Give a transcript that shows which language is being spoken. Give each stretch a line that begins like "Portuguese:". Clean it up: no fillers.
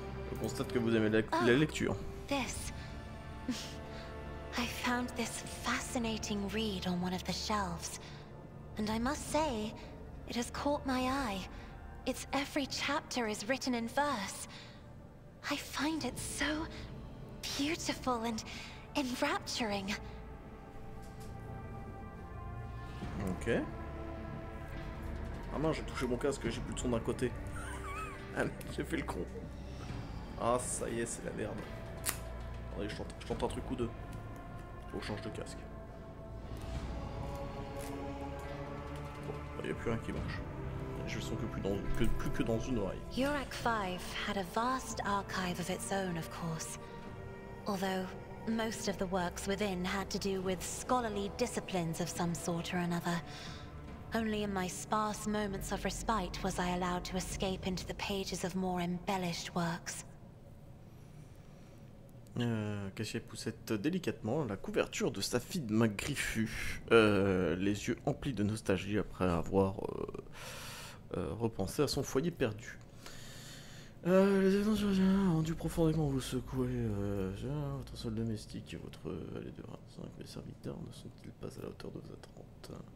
French: Je constate que vous aimez la lecture.
English: This. I found this fascinating read on one of the shelves, and I must say, it has caught my eye. Its every chapter is written in verse. I find it so beautiful and enrapturing. Ok.
French: Ah non, j'ai touché mon casque, j'ai plus de son d'un côté. J'ai fait le con. Ah, ça y est, c'est la merde. Attendez, je tente un truc ou deux. Faut que change de casque. Bon, y a plus rien qui marche. Je sens que plus dans une oreille.
English: Yurak 5 had a vast archive of its own, of course. Although, most of the works within had to do with scholarly disciplines of some sort or another. Only in my sparse moments of respite was I allowed to escape into the pages of more embellished works.
French: Cassia poussait délicatement la couverture de sa fine main griffue, les yeux emplis de nostalgie après avoir repensé à son foyer perdu. Les aventuriers ont dû profondément vous secouer. Votre seul domestique et votre valet de 25, les serviteurs ne sont-ils pas à la hauteur de vos attentes?